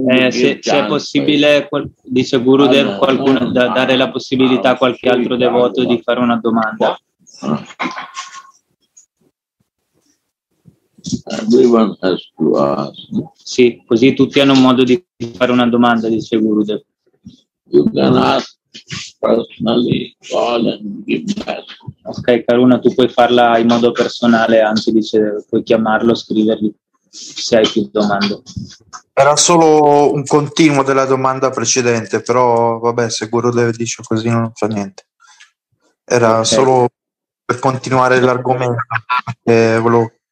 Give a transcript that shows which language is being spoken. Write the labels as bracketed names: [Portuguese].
[Italian] Se è possibile, dice Gurudev, qualcuno dare la possibilità a qualche altro devoto di fare una domanda. [English] Everyone has to ask. [Italian] Sì, così tutti hanno modo di fare una domanda, dice Gurudev. [English] You can ask personally, call and give back. [Italian] Ok, Karuna, tu puoi farla in modo personale, anzi, dice, puoi chiamarlo, scrivergli se hai più domande. Era solo un continuo della domanda precedente, però vabbè, se Gurudev dice così non fa niente. Era okay. Solo per continuare l'argomento che volevo.